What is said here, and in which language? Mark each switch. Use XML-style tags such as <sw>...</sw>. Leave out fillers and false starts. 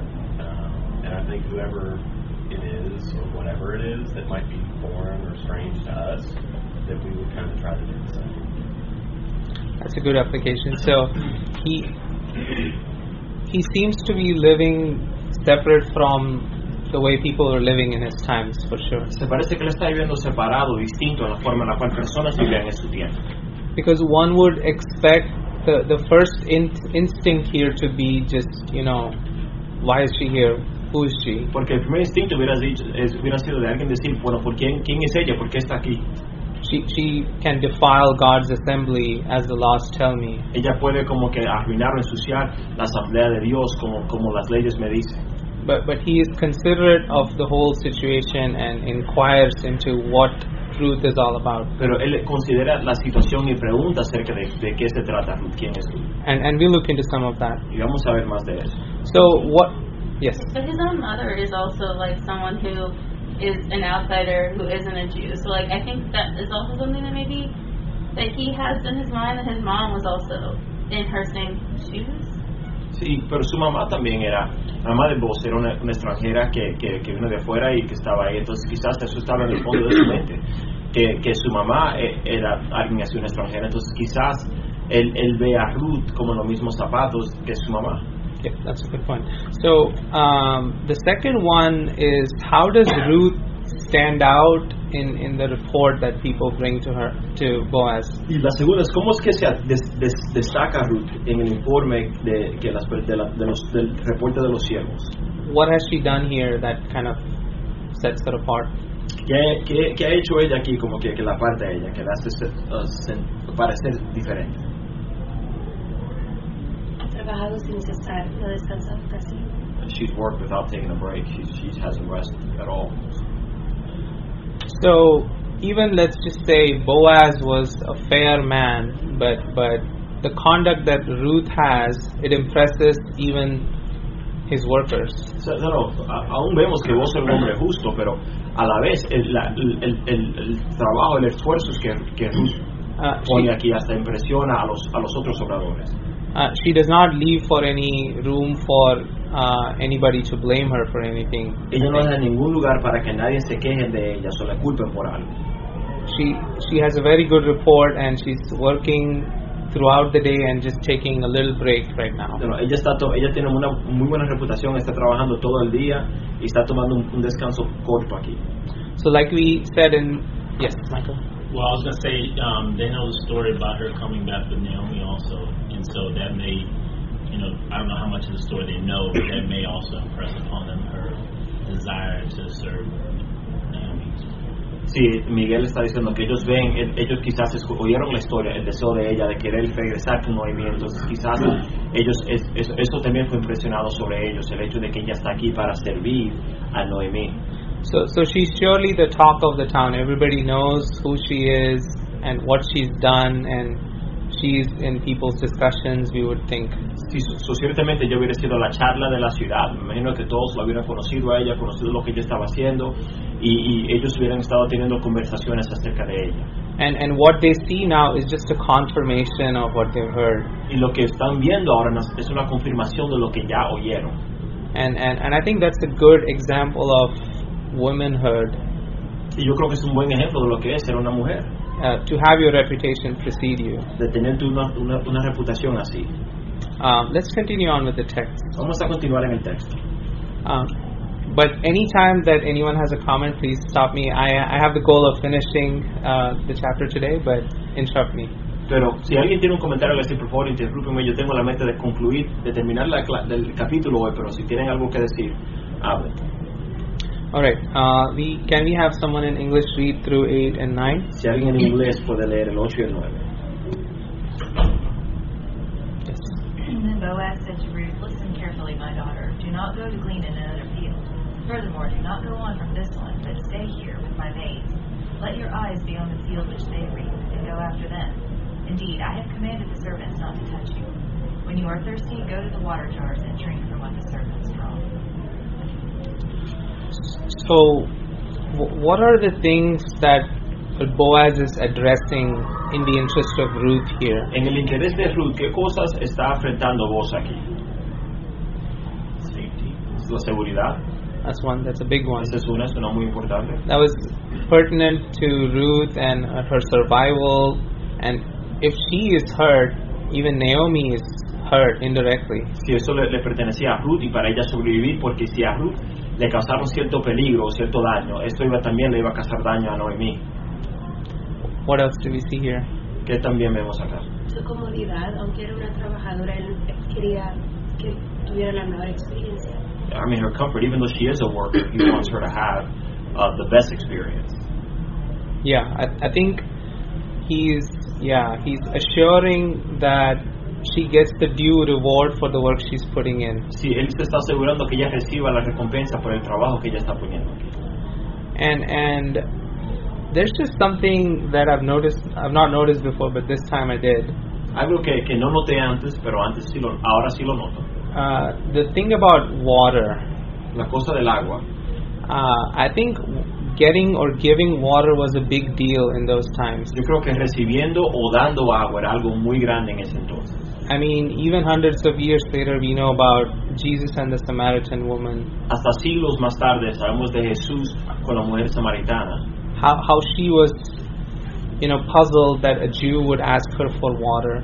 <en>And I think whoever it is or whatever it is that might be foreign or strange to us, that we would kind of try to do the same. That's a good application. So he seems to be living separate from the way people were living in his times, for sure.</en> <es>Se parece que él está viviendo separado, distinto a la forma en la cual personas vivían en su tiempo.</es> <en>Because one would expect the first instinct here to be just, you know, why is she here? Who is she?</en> <es>Porque el primer instinto hubiera sido de alguien decir, bueno, ¿por quién es ella? ¿Por qué está aquí?</es> <en>She can defile God's assembly, as the laws tell me.</en> <es>Ella puede como que arruinar o ensuciar la asamblea de Dios, como las leyes me dicen.</es> <en>But he is considerate of the whole situation and inquires into what truth is all about.</en> <es>Pero él considera la situación y pregunta acerca de qué se trata, quién es.</es> <en>And we look into some of that.</en> <es>Y vamos a ver más de eso.</es> <en>So what? Yes. So his own mother is also like someone who is an outsider who isn't a Jew. So, like, I think that is also something that maybe that he has in his mind, that his mom was also in her same shoes.</en> <es>Sí, pero su mamá también era, la mamá de Boaz era una extranjera que vino de afuera y que estaba ahí. Entonces, quizás eso estaba en el fondo de su mente, que su mamá era alguien así, una extranjera. Entonces, quizás él ve a Ruth como los mismos zapatos que su mamá.</es> <en>Yeah, that's a good point. So the second one is, how does Ruth stand out in the report that people bring to her, to Boaz?</en> <es>Y la segunda es, ¿cómo es que se destaca Ruth en el informe del reporte de los siervos?</es> <en>What has she done here that kind of sets her apart?</en> <es>¿Qué ha hecho ella aquí como que la aparta ella, que la hace parecer diferente?</es> <en>She's worked without taking a break. She hasn't rested at all. So, even let's just say Boaz was a fair man, but the conduct that Ruth has, it impresses even his workers.</en> <es>Claro, aún vemos que vos sos un hombre justo, pero a la vez el trabajo, el esfuerzo que Ruth pone aquí hasta impresiona a los otros obradores.</es> <en>She does not leave for any room for anybody to blame her for anything.</en> <es>Ella no deja ningún lugar para que nadie se queje de ella o la culpe por algo.</es> <en>She has a very good report and she's working throughout the day and just taking a little break right now.</en> <es>No, ella tiene una muy buena reputación, está trabajando todo el día y está tomando un descanso corto aquí.</es> <en>So like we said in... Yes, Michael? Well, I was going to say, they know the story about her coming back with Naomi also, and so that may, you know, I don't know how much of the story they know, but that may also impress upon them her desire to serve Naomi.</en> <es>Sí, Miguel está diciendo que ellos ven, ellos quizás oyeron la historia, el deseo de ella de querer regresar con Noemi, entonces quizás ellos, eso también fue impresionado sobre ellos, el hecho de que ella está aquí para servir a Noemi.</es> <en>So she's surely the talk of the town. Everybody knows who she is and what she's done, and she's in people's discussions, we would think.</en> <es>Sí, so ciertamente yo hubiera sido la charla de la ciudad. Me imagino que todos lo hubieran conocido a ella, conocido lo que ella estaba haciendo, y ellos hubieran estado teniendo conversaciones acerca de ella.</es> <en>And what they see now is just a confirmation of what they've heard.</en> <es>Y lo que están viendo ahora es una confirmación de lo que ya oyeron.</es> <en>And I think that's a good example of womanhood.</en> <es>Y yo creo que es un buen ejemplo de lo que es ser una mujer.</es> <en>To have your reputation precede you.</en> <es>De tener una reputación así.</es> <en>Let's continue on with the text.</en> <es>Vamos a continuar en el texto.</es> <en>But anytime that anyone has a comment, please stop me. I have the goal of finishing the chapter today, but interrupt me.</en> <es>Pero si alguien tiene un comentario, les digo, por favor, interrúpeme. Yo tengo la meta de concluir, de terminar el capítulo hoy, pero si tienen algo que decir, hable.</es> <en>All right. Can we have someone in English read through 8 and 9?</en> <es>Si alguien en inglés puede leer el 8 y el 9.</es> <en>Yes. And then Boaz said to Ruth, "Listen carefully, my daughter. Do not go to glean in another field. Furthermore, do not go on from this one, but stay here with my maids. Let your eyes be on the field which they reap, and go after them. Indeed, I have commanded the servants not to touch you. When you are thirsty, go to the water jars and drink from what the servants draw." So, what are the things that Boaz is addressing in the interest of Ruth here?</en> <es>En el interés de Ruth, ¿qué cosas está enfrentando vos aquí?</es> <en>Safety.</en> <es>La seguridad.</es> <en>That's one. That's a big one.</en> <es>Esa es una. Es una muy importante.</es> <en>That was pertinent to Ruth and her survival, and if she is hurt, even Naomi is hurt indirectly.</en> <es>Sí, eso le pertenecía a Ruth y para ella sobrevivir, porque si a Ruth le causaron cierto peligro, cierto daño, esto le iba a causar daño a Noemí.</es> <en>What else do we see here?</en> <es>¿Qué también vemos acá? Su comodidad, aunque era una trabajadora, él quería que tuviera la mejor experiencia.</es> <en>I mean, her comfort, even though she is a worker, he wants her to have the best experience. Yeah, I think he's assuring that she gets the due reward for the work she's putting in.</en> <es>Sí, él se está asegurando que ella reciba la recompensa por el trabajo que ella está poniendo aquí.</es> <en>And there's just something that I've not noticed before, but this time I did.</en> <es>Algo que no noté antes, pero antes sí lo, ahora sí lo noto.</es> <en>The thing about water.</en> <es>La cosa del agua.</es> <en>I think getting or giving water was a big deal in those times.</en> <es>Yo creo que recibiendo o dando agua era algo muy grande en ese entonces.</es> <en>I mean, even hundreds of years later, we know about Jesus and the Samaritan woman.</en> <es>Hasta siglos más tarde sabemos de Jesús con la mujer samaritana.</es> <en>How she was, you know, puzzled that a Jew would ask her for water.</en>